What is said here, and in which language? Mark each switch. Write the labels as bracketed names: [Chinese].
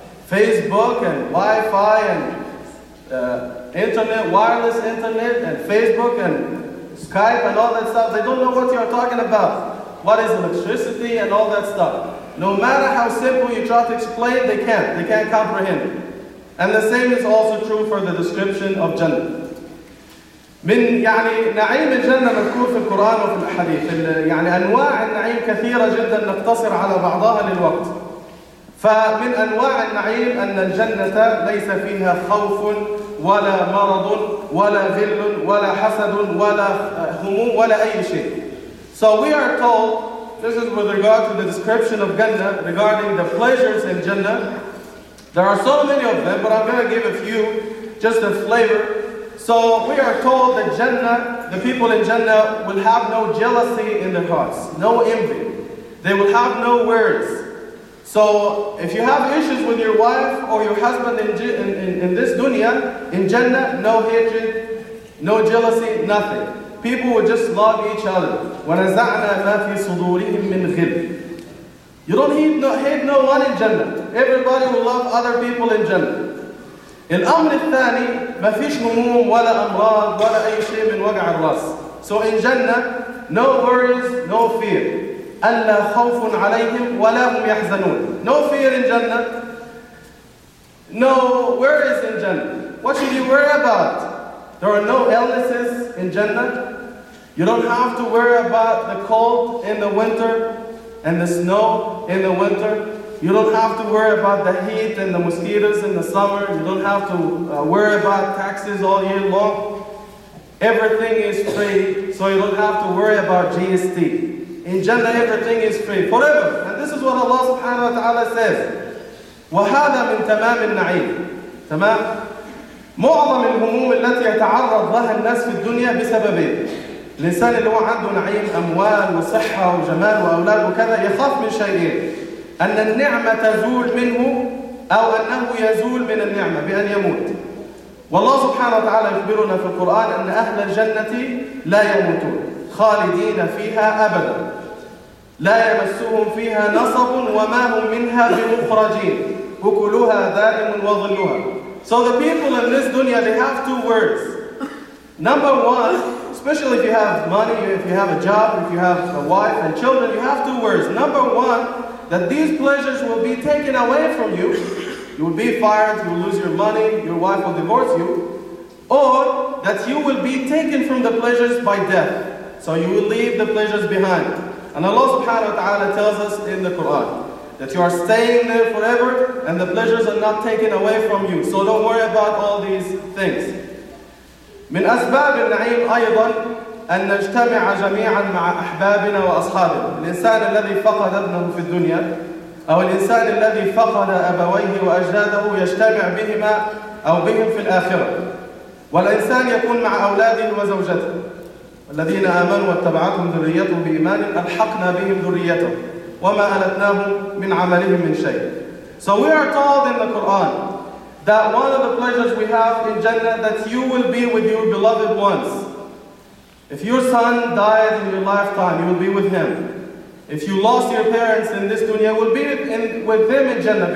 [English] Facebook and Wi-Fi and internet, wireless internet and Facebook and Skype and all that stuff, they don't know what you're talking about. What is electricity and all that stuff. No matter how simple you try to explain, they can't comprehend. And the same is also true for the description of Jannah. [Arabic] من يعني نعيم الجنة مذكور في القرآن وفي الحديث، يعني أنواع النعيم كثيرة جدا، نقتصر على بعضها للوقت. فمن أنواع النعيم أن الجنة ليس فيها خوف ولا مرض ولا غل ولا حسد ولا هموم ولا أي شيء. [English] So we are told, this is with regard to the description of Jannah, regarding the pleasures in Jannah. There are so many of them, but I'm going to give a few, just a flavor. So we are told that Jannah, the people in Jannah will have no jealousy in their hearts, no envy. They will have no words. So if you have issues with your wife or your husband in this dunya, in Jannah, no hatred, no jealousy, nothing. People will just love each other. [Arabic] وَنَزَعْنَا مَا فِي صُدُورِهِمْ مِنْ غِلٍّ. [English] You don't hate no one in Jannah. Everybody will love other people in Jannah. [Arabic] الأمر الثاني ما فيش هموم ولا أمراض ولا أي شيء من وجع الرأس. [English] So in Jannah, no worries, no fear. [Arabic] ألا خوف عليهم ولا هم يحزنون. [English] No fear in Jannah. No worries in Jannah. What should you worry about? There are no illnesses in Jannah. You don't have to worry about the cold in the winter and the snow in the winter. You don't have to worry about the heat and the mosquitoes in the summer. You don't have to worry about taxes all year long. Everything is free, so you don't have to worry about GST. In Jannah, everything is free forever. And this is what Allah subhanahu wa ta'ala says. [Arabic] وَهَذَا مِنْ تَمَامِ النَّعِيمِ. تمام؟ معظم الهموم التي يتعرض لها الناس في الدنيا بسببين. الإنسان اللي هو عنده نعيم أموال وصحة وجمال وأولاد وكذا يخاف من شيئين، أن النعمة تزول منه أو أنه يزول من النعمة بأن يموت. والله سبحانه وتعالى يخبرنا في القرآن أن أهل الجنة لا يموتون، خالدين فيها أبدا، لا يمسهم فيها نصب وما هم منها بمخرجين، أكلها دائم وظلها. [English] So the people in this dunya, they have two words. Number one, especially if you have money, if you have a job, if you have a wife and children, you have two words. Number one, that these pleasures will be taken away from you. You will be fired, you will lose your money, your wife will divorce you. Or that you will be taken from the pleasures by death. So you will leave the pleasures behind. And Allah subhanahu wa ta'ala tells us in the Quran that you are staying there forever and the pleasures are not taken away from you. So don't worry about all these things. [Arabic] من أسباب النعيم أيضا أن نجتمع جميعا مع أحبابنا وأصحابنا. الإنسان الذي فقد ابنه في الدنيا أو الإنسان الذي فقد أبويه وأجداده يجتمع بهما أو بهم في الآخرة، والإنسان يكون مع أولاده وزوجته. الذين آمنوا واتبعتهم ذريتهم بإيمان ألحقنا بهم ذريتهم وما ألتناهم من عملهم من شيء. [English] So we are told in the Quran that one of the pleasures we have in Jannah, that you will be with your beloved ones. If your son died in your lifetime, you will be with him. If you lost your parents in this dunya, you will be with them in Jannah.